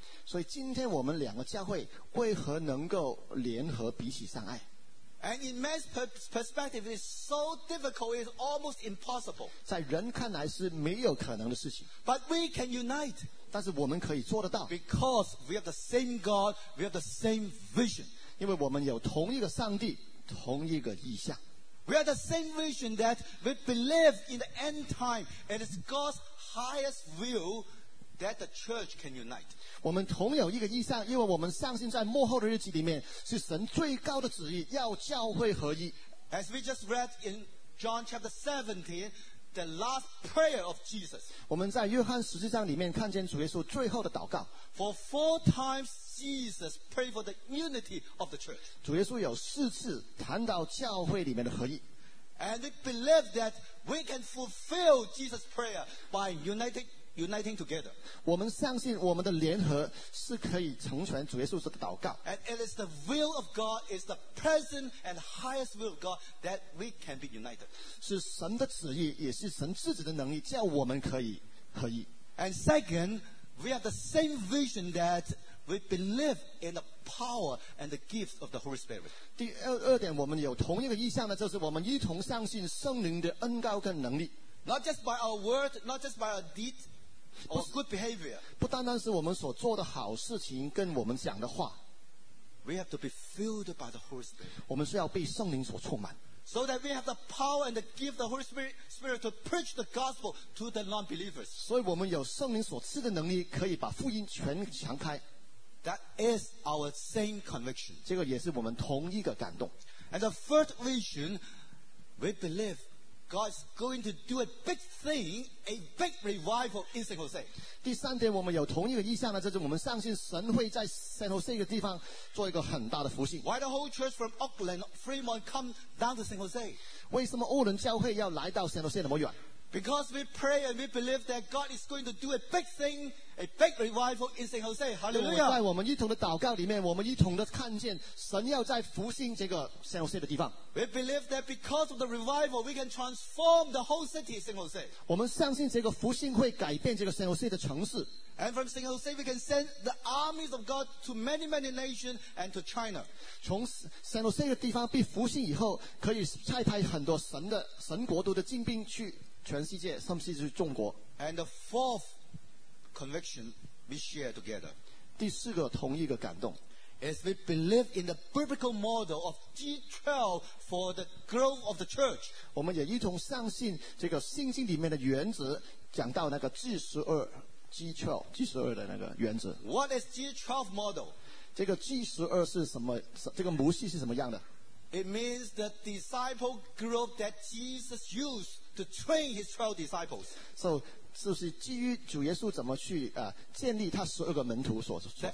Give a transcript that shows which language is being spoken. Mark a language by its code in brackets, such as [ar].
[zh] 所以今天我们两个教会为何能够联合彼此相爱 [en] And in man's perspective, it's so difficult, it's almost impossible. [zh] 在人看来是没有可能的事情。 [en] But we can unite. [zh] 但是我们可以做得到。 [en] Because we have the same God, we have the same vision. [zh] 因为我们有同一个上帝，同一个意象。 [en] We have the same vision that we believe in the end time, and it's God's highest will that the church can unite. [zh] 我们同有一个意象，因为我们相信在末后的日子里面是神最高的旨意，要教会合一。 [en] As we just read in John chapter 17, the last prayer of Jesus. [zh] 我们在约翰十四章里面看见主耶稣最后的祷告。 [en] For four times Jesus prayed for the unity of the church. [zh] 主耶稣有四次谈到教会里面的合一。 [en] And we believe that we can fulfill Jesus' prayer by uniting together. [zh] 我们相信我们的联合是可以成全主耶稣的祷告。 [en] And it is the will of God, it's the present and highest will of God that we can be united. [zh] 是神的旨意，也是神自己的能力，叫我们可以合一。 [en] And second, we have the same vision that we believe in the power and the gift of the Holy Spirit. [zh] 第二点，我们有同一个意向呢，就是我们一同相信圣灵的恩膏跟能力。 [en] Not just by our word, not just by our deed or good behavior. [zh] 不单单是我们所做的好事情跟我们讲的话。 [en] We have to be filled by the Holy Spirit. [zh] 我们是要被圣灵所充满。 [en] So that we have the power and the gift of the Holy Spirit to preach the gospel to the non-believers. [zh] 所以我们有圣灵所赐的能力，可以把福音全传开。 [en] That is our same conviction. [zh] 这个也是我们同一个感动。 [en] And the third vision, we believe God is going to do a big thing, a big revival in San Jose. [zh] 第三点，我们有同一个意向呢，就是我们相信神会在 San Jose 一个地方做一个很大的复兴。 [en] Why the whole church from Oakland, Fremont come down to San Jose? [zh] 为什么欧伦教会要来到 San Jose 那么远？ [en] Because we pray and we believe that God is going to do a big thing, a big revival in San Jose. Hallelujah! [zh] 在我们一同的祷告里面，我们一同的看见神要在复兴这个 San Jose 的地方。 [en] We believe that because of the revival, we can transform the whole city, San Jose. [zh] 我们相信这个复兴会改变这个 San Jose 的城市。 [en] And from San Jose, we can send the armies of God to many, many nations and to China. [zh] 从 San Jose 的地方被复兴以后，可以差派很多神国度的精兵去全世界，甚至是中国。 [en] And the fourth conviction we share together. [zh] 第四个同一个感动。 [en] As we believe in the biblical model of G12 for the growth of the church. [zh] 我们也一同相信这个圣经里面的原则，讲到那个 G12 的那个原则。 [en] What is G12 model? [zh] 这个 G12 是什么？这个模式是什么样的？ [en] It means the disciple group that Jesus used to train his 12 disciples. [zh] So, 是不是基于主耶稣怎么去建立他十二个门徒所创